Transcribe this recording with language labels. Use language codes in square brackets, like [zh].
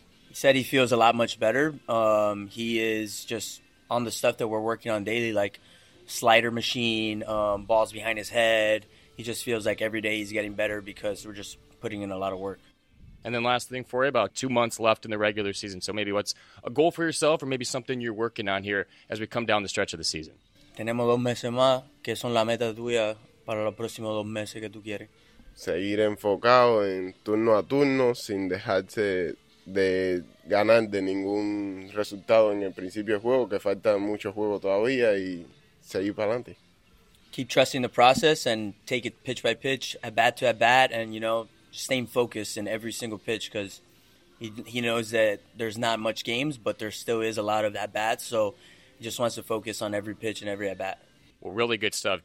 [en] He said he feels a lot much better. He is just on the stuff that we're working on daily, like slider machine, balls behind his head. He just feels like every day he's getting better because we're just putting in a lot of work. And then last thing for you, about 2 months left in the regular season. So maybe what's a goal for yourself or maybe something you're working on here as we come down the stretch of the season? [es] Tenemos 2 meses más, que son las metas tuyas para los próximos 2 meses que tú quieres. Seguir enfocado en turno a turno sin dejarse de ganar de ningún resultado en el principio del juego, que falta mucho juego todavía, y seguir para adelante. [en] Keep trusting the process and take it pitch by pitch, at bat to at bat, and, you know, staying focused in every single pitch because he knows that there's not much games, but there still is a lot of at-bats, so he just wants to focus on every pitch and every at-bat. Well, really good stuff.